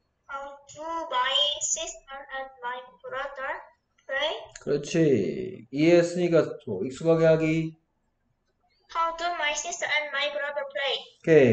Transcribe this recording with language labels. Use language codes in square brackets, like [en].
[en] How do my sister and my brother play? [ko] 그렇지. 이해했으니까 또 익숙하게 하기. [en] How do my sister and my brother play?